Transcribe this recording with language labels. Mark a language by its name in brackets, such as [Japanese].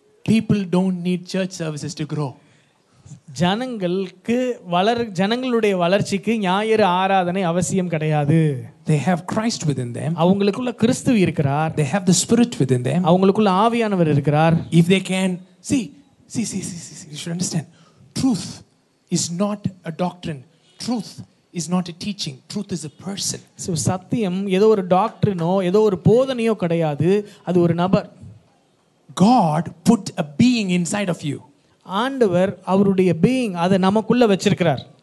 [English] People don't need church services to grow. [Tamil] ஜனங்களுக்கு ஜனங்களுடைய வளர்ச்சிக்கு ஞாயிறு ஆராதனை அவசியம் கிடையாது. [English] They have Christ within them. [Tamil] அவங்களுக்குள்ள கிறிஸ்து இருக்கிறார். [English] They have the spirit within them. [Tamil] அவங்களுக்குள்ள ஆவியானவர் இருக்கிறார். [English] If they can see, you should understand, truth is not a doctrine. Truth is not a teaching. Truth is a person. [Tamil] So சத்தியம் ஏதோ ஒரு டாக்ட்ரினோ ஏதோ ஒரு போதனையோ கிடையாது, அது ஒரு நபர். [English] God put a being inside of you. [Tamil] ஆண்டவர் அவருடைய பீயிங் அதை நமக்குள்ள வச்சிருக்கிறார்.